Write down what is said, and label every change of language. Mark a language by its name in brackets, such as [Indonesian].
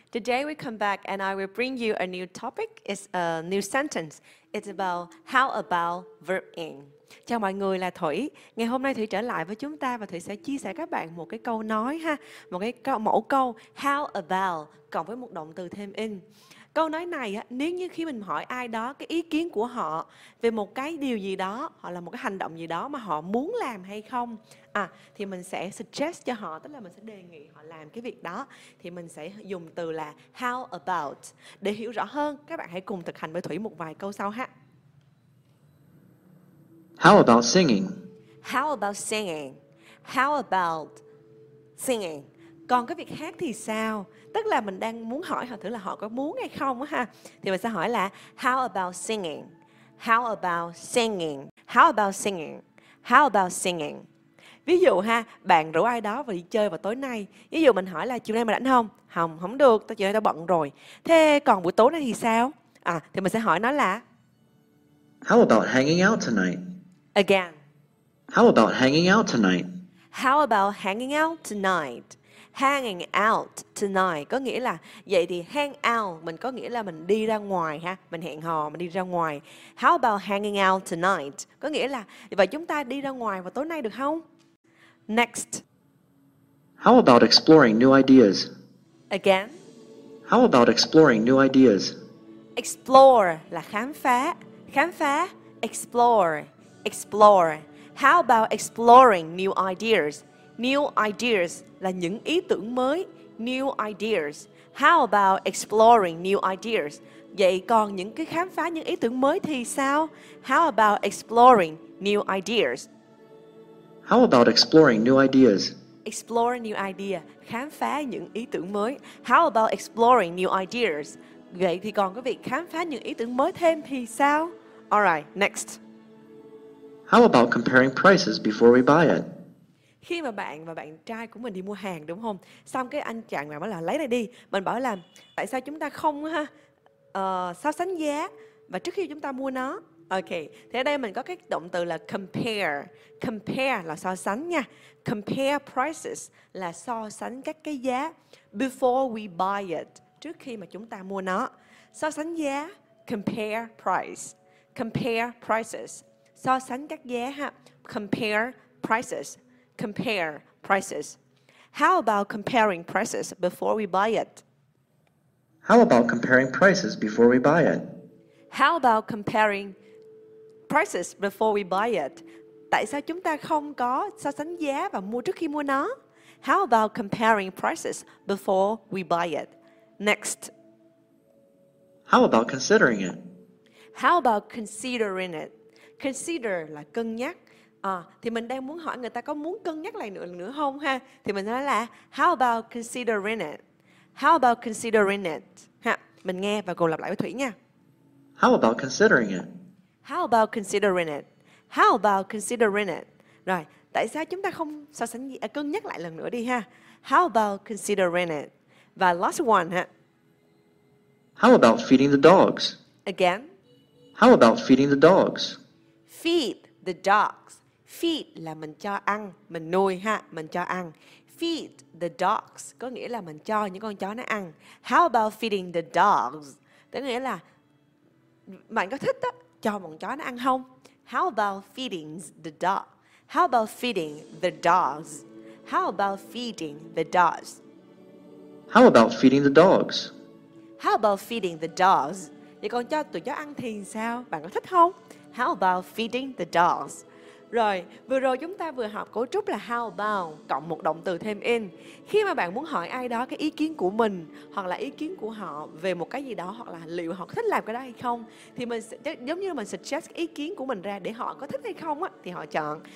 [English] Today we come back and I will bring you a new topic. It's a new sentence. It's about how about verb in. [Vietnamese] Chào mọi người, là Thủy. Ngày hôm nay Thủy trở lại với chúng ta và Thủy sẽ chia sẻ các bạn một cái câu nói ha. Một cái mẫu câu how about cộng với một động từ thêm in. Câu nói này nếu như khi mình hỏi ai đó cái ý kiến của họ về một cái điều gì đó hoặc là một cái hành động gì đó mà họ muốn làm hay không thì mình sẽ suggest cho họ, tức là mình sẽ đề nghị họ làm cái việc đó, thì mình sẽ dùng từ là how about. Để hiểu rõ hơn, các bạn hãy cùng thực hành với Thủy một vài câu sau ha. [English] How about singing? How about singing? How about singing? [Vietnamese] Còn cái việc hát thì sao? Tức là mình đang muốn hỏi họ thử là họ có muốn hay không ha. Thì mình sẽ hỏi là how about singing? [English] How about singing? How about singing? How about singing? [Vietnamese] Ví dụ ha, bạn rủ ai đó về đi chơi vào tối nay. Ví dụ mình hỏi là chiều nay mà rảnh không? Không, không được, tao chiều nay tao bận rồi. Thế còn buổi tối nay thì sao? Thì mình sẽ hỏi nó là [English] how about hanging out tonight? Again. How about hanging out tonight? How about hanging out tonight? [Vietnamese] Hanging out tonight có nghĩa là vậy thì hang out mình có nghĩa là mình đi ra ngoài ha, mình hẹn hò, mình đi ra ngoài. [English] How about hanging out tonight? [Vietnamese] Có nghĩa là vậy chúng ta đi ra ngoài vào tối nay được không? [English] Next. How about exploring new ideas? Again. How about exploring new ideas? [Vietnamese] Explore là khám phá. Khám phá, explore, explore. [English] How about exploring new ideas? [Vietnamese] New ideas là những ý tưởng mới. New ideas. How about exploring new ideas? [English] Vậy còn những cái khám phá những ý tưởng mới thì sao? How about exploring new ideas? How about exploring new ideas? Explore new idea. [Vietnamese] Khám phá những ý tưởng mới. [English] How about exploring new ideas? [Vietnamese] Vậy thì còn cái việc khám phá những ý tưởng mới thêm thì sao? [English] Alright, next. How about comparing prices before we buy it? [Vietnamese] Khi mà bạn và bạn trai của mình đi mua hàng đúng không? Xong cái anh chàng mà bảo là lấy này đi, mình bảo là tại sao chúng ta không so sánh giá và trước khi chúng ta mua nó. Ok, thế đây mình có cái động từ là compare. Compare là so sánh nha. Compare prices là so sánh các cái giá. Before we buy it, trước khi mà chúng ta mua nó. So sánh giá, compare price. Compare prices, so sánh các giá ha. [English] Compare prices. Compare prices. How about comparing prices before we buy it? How about comparing prices before we buy it? How about comparing prices before we buy it? [Vietnamese] Tại sao chúng ta không có so sánh giá và mua trước khi mua nó? [English] How about comparing prices before we buy it? Next. How about considering it? How about considering it? [Vietnamese] Consider là cân nhắc. Thì mình đang muốn hỏi người ta có muốn cân nhắc lại nữa không ha? Thì mình nói là [English] how about considering it? How about considering it? [Vietnamese] Ha, mình nghe và cùng lặp lại với Thủy nha. [English] How about considering it? How about considering it? How about considering it? [Vietnamese] Rồi, tại sao chúng ta không so sánh cân nhắc lại lần nữa đi ha? [English] How about considering it? [Vietnamese] Và last one ha. [English] How about feeding the dogs? Again? How about feeding the dogs? Feed the dogs. [Vietnamese] Feed là mình cho ăn, mình nuôi ha, mình cho ăn. Feed the dogs có nghĩa là mình cho những con chó nó ăn. [English] How about feeding the dogs? [Vietnamese] Tức nghĩa là bạn có thích đó, cho bọn chó nó ăn không? [English] How about feeding the dog? How about feeding the dogs? How about feeding the dogs? How about feeding the dogs? How about feeding the dogs? [Vietnamese] Vậy còn cho tụi chó ăn thì sao? Bạn có thích không? [English] How about feeding the dogs? [Vietnamese] Rồi, vừa rồi chúng ta vừa học cấu trúc là how about cộng một động từ thêm in. Khi mà bạn muốn hỏi ai đó cái ý kiến của mình hoặc là ý kiến của họ về một cái gì đó hoặc là liệu họ có thích làm cái đó hay không thì mình sẽ, giống như mình suggest ý kiến của mình ra để họ có thích hay không á thì họ chọn.